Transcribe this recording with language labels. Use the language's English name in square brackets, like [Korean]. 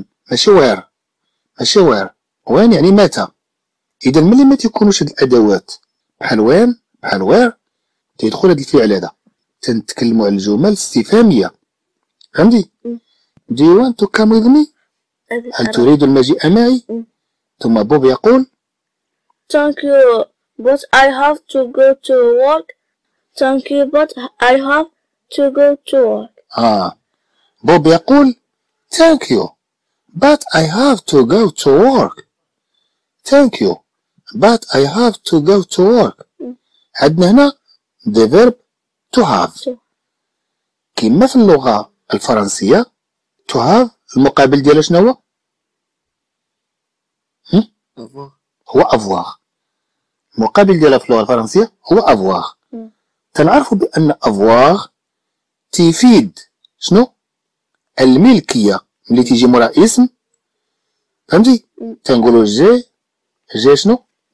[Arabic] ماشي where ماشي where when يعني متى اذا ملي ما تكونوش الادوات بحال when بحال where تدخل هذا الفعل هذا تنتكلموا على الجمل استفهاميه فهمتي [English] Do you want to come with me [Arabic] هل تريد المجيء معي ثم بوب يقول [English] Thank you but I have to go to work Thank you but I have to go to work [Arabic] بوب يقول [English] Thank you but I have to go to work Thank you but I have to go to work [Arabic] عندنا هنا [English] The verb to have. [Arabic] كما في اللغة الفرنسية to have المقابل ديالها شنو هو avoir. المقابل ديالها في اللغة الفرنسية هو avoir. تنعرفوا بأن avoir تفيد شنو الملكية اللي تيجي مورا اسم فهمتي تنقولوا جي شنو